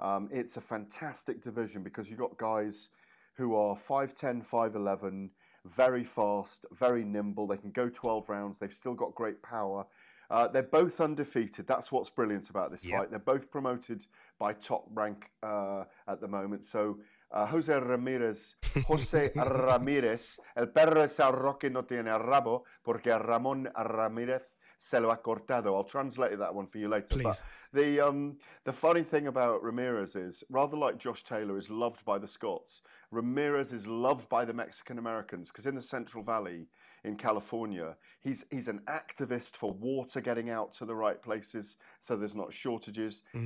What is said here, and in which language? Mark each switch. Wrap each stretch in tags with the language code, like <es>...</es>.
<en>It's a fantastic division because you've got guys who are 5'10", 5'11", very fast, very nimble. They can go 12 rounds. They've still got great power. They're both undefeated. That's what's brilliant about this fight. They're both promoted by Top Rank at the moment.</en> <es>So Jose Ramirez, el perro de San Roque no tiene rabo porque Ramón Ramírez se lo ha cortado.</es> <en>I'll translate that one for you later. Please. But the funny thing about Ramirez is, rather like Josh Taylor is loved by the Scots, Ramirez is loved by the Mexican-Americans, because in the Central Valley in California, he's an activist for water getting out to the right places so there's not shortages. Mm.</en>